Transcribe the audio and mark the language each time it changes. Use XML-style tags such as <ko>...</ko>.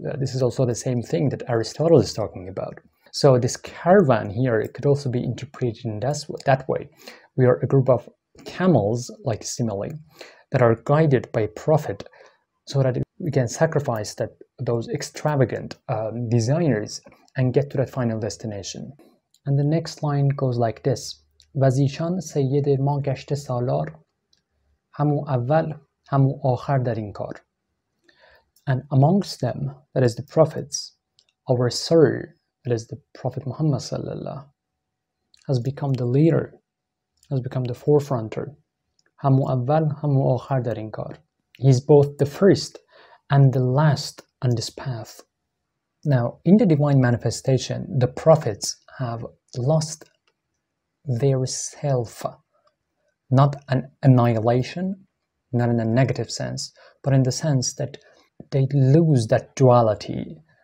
<en>This is also the same thing that Aristotle is talking about. So this caravan here, it could also be interpreted in that way. We are a group of camels, like simile, that are guided by a prophet so that we can sacrifice those extravagant desires and get to that final destination. And the next line goes like this.</en> <fa>وزیشان سید ما گشت سالار همو اول همو آخر در این کار.</fa> <en>And amongst them, that is the prophets, our sir, that is the Prophet Muhammad sallallahu, has become the leader, has become the forefronter.</en> <fa>همو اول همو آخر در این کار.</fa> <en>He's both the first and the last on this path. Now, in the divine manifestation, the prophets have lost their self, not an annihilation, not in a negative sense, but in the sense that they lose that duality,</en>